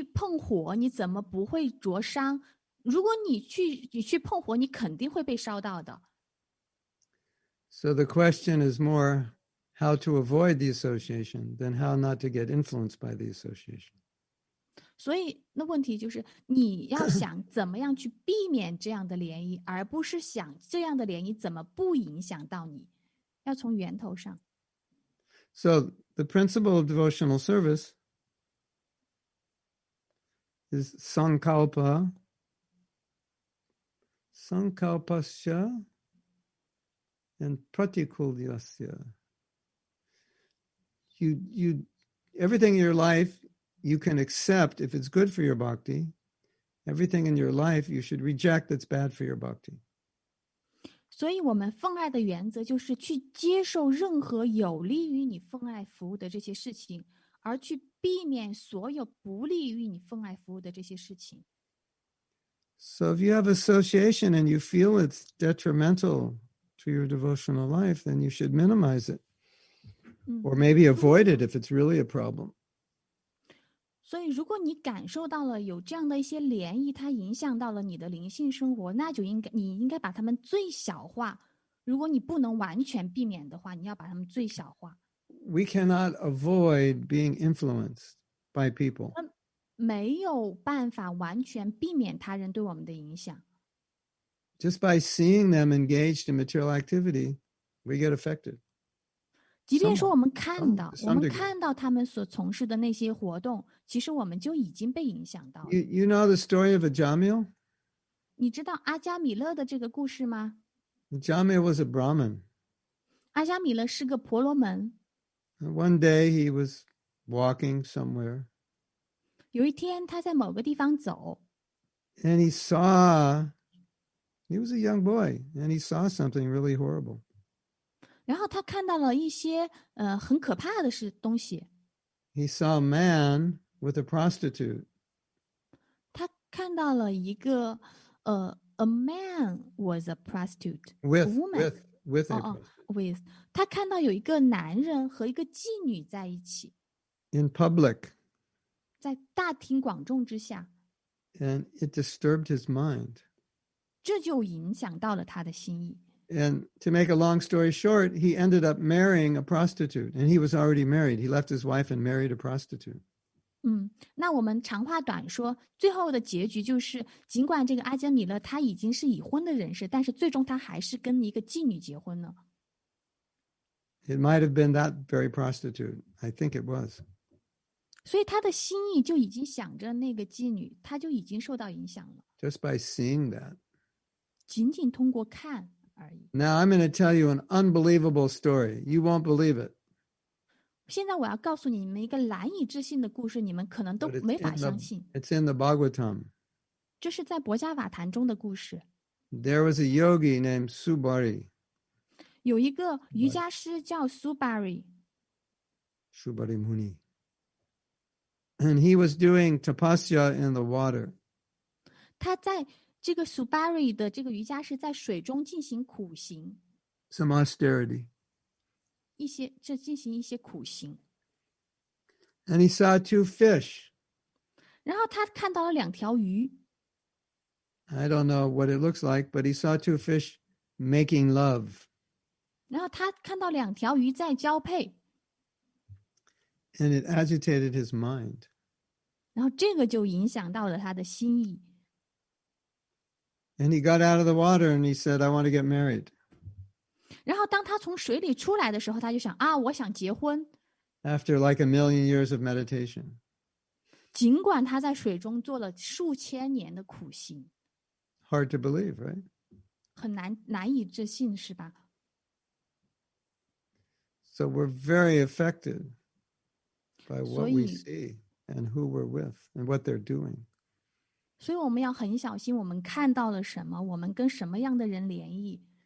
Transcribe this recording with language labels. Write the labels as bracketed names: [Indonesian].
[Chinese] 就好像说,你去碰火,你怎么不会灼伤?如果你去碰火,你肯定会被烧到的。 [English] So the question is more, how to avoid the association, then how not to get influenced by the association. [Chinese] 所以那问题就是你要想怎么样去避免这样的联谊, 而不是想这样的联谊怎么不影响到你, 要从源头上。 [English] So the principle of devotional service is sankalpa, sankalpasya, and pratikulyasya. You everything in your life you can accept if it's good for your bhakti, Everything in your life you should reject that's bad for your bhakti. [Chinese] 所以我们奉爱的原则就是去接受任何有利于你奉爱服务的这些事情，而去避免所有不利于你奉爱服务的这些事情。 [English] So if you have association and you feel it's detrimental to your devotional life, then you should minimize it. Or maybe avoid it if it's really a problem. [Chinese] 所以如果你感受到了有这样的一些涟漪，它影响到了你的灵性生活，那就应该，你应该把它们最小化。如果你不能完全避免的话，你要把它们最小化。 [English] We cannot avoid being influenced by people. [Chinese] 没有办法完全避免他人对我们的影响。 [English] Just by seeing them engaged in material activity, we get affected. [Chinese] 即便说我们看到，我们看到他们所从事的那些活动，其实我们就已经被影响到。 [English] You know the story of Ajamil? [Chinese] 你知道阿加米勒的这个故事吗？ [English] Ajamil was a Brahmin. [Chinese] 阿加米勒是个婆罗门。 [English] One day he was walking somewhere. [Chinese] 有一天他在某个地方走。 [English] And he saw, he was a young boy, and he saw something really horrible. [Chinese] 然后他看到了一些很可怕的东西。 [English] He saw a man with a prostitute. [Chinese] 他看到了一个 [English] a man was a prostitute. With, a woman. With a prostitute. With, [Chinese] 他看到有一个男人和一个妓女在一起。 [English] In public. [Chinese] 在大庭广众之下。 [English] And it disturbed his mind. [Chinese] 这就影响到了他的心意。 [English] And to make a long story short, he ended up marrying a prostitute. And he was already married. He left his wife and married a prostitute. [Chinese] 那我们长话短说，最后的结局就是，尽管这个阿加米勒他已经是已婚的人士，但是最终他还是跟一个妓女结婚了。 [English] It might have been that very prostitute. I think it was. [Chinese] 所以他的心意就已经想着那个妓女，他就已经受到影响了。 [English] Just by seeing that. [Chinese] 仅仅通过看而已。 [English] Now I'm going to tell you an unbelievable story. You won't believe it. [Chinese] 现在我要告诉你们一个难以置信的故事，你们可能都没法相信。 [English] It's in the Bhagavatam. [Chinese] 这是在《博伽瓦坛》中的故事。 [English] There was a yogi named Subari. [Chinese] 有一个瑜伽师叫 Subari. [English] Subari Muni. And he was doing tapasya in the water. [Chinese] 他在这个 Subari 的这个瑜伽师在水中进行苦行。 [English] Some austerity. [Chinese] 一些这进行一些苦行。 [English] And he saw two fish. [Chinese] 然后他看到了两条鱼。 [English] I don't know what it looks like, but he saw two fish making love. [Chinese] 然后他看到两条鱼在交配。 [English] And it agitated his mind. [Chinese] 然后这个就影响到了他的心意。 [English] And he got out of the water and he said, I want to get married. [Chinese] 然后当他从水里出来的时候，他就想，啊，我想结婚。 [English] After like a million years of meditation. [Chinese] 尽管他在水中做了数千年的苦行。 [English] Hard to believe, right? [Chinese] 很难以置信，是吧？ [English] So we're very affected by what we see and who we're with and what they're doing. [Chinese] 所以我们要很小心我们看到了什么，我们跟什么样的人联谊。